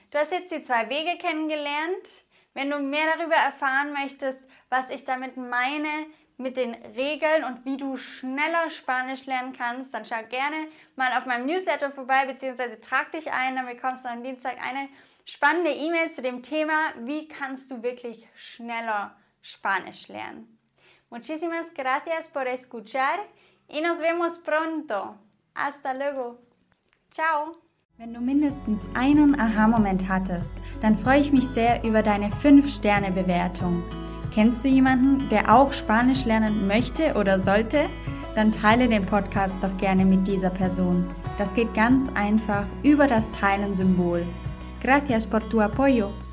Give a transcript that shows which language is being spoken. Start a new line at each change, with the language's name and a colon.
German: Du hast jetzt die zwei Wege kennengelernt. Wenn du mehr darüber erfahren möchtest, was ich damit meine, mit den Regeln und wie du schneller Spanisch lernen kannst, dann schau gerne mal auf meinem Newsletter vorbei, beziehungsweise trag dich ein, dann bekommst du am Dienstag eine spannende E-Mail zu dem Thema, wie kannst du wirklich schneller Spanisch lernen.
Spanish: Muchísimas gracias por escuchar y nos vemos pronto. Hasta luego. Ciao.
German: Wenn du mindestens einen Aha-Moment hattest, dann freue ich mich sehr über deine 5-Sterne-Bewertung. Kennst du jemanden, der auch Spanisch lernen möchte oder sollte? Dann teile den Podcast doch gerne mit dieser Person. Das geht ganz einfach über das Teilen-Symbol.
Spanish: Gracias por tu apoyo.